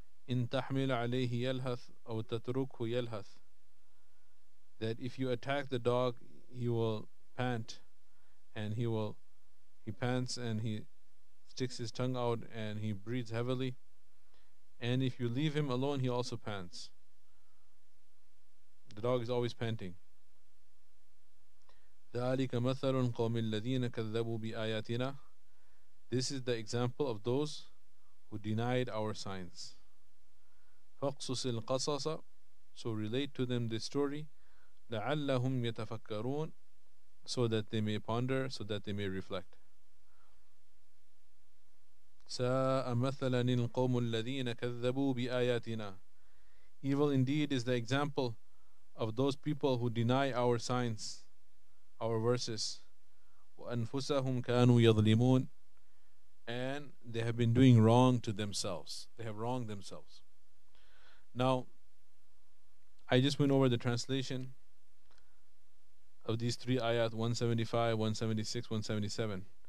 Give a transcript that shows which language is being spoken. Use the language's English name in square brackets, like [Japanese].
[Arabic] إن تحمل عليه يلهث أو تتركه يلهث, [English] that if you attack the dog, he will pant, and he pants and he sticks his tongue out and he breathes heavily, and if you leave him alone, he also pants. The dog is always panting. [Arabic] ذلك مثل قوم الذين كذبوا بآياتنا. [English] This is the example of those who denied our signs. [Arabic] فقصص القصص. [English] So relate to them this story. [Arabic] لعلهم يتفكرون. [English] So that they may ponder, so that they may reflect. [Arabic] ساء مثلا القوم الذين كذبوا بآياتنا. [English] Evil indeed is the example of those people who deny our signs, our verses. [Arabic] وأنفسهم كانوا يظلمون. [English] And they have been doing wrong to themselves. They have wronged themselves. Now, I just went over the translation of these three ayat, 175, 176, 177.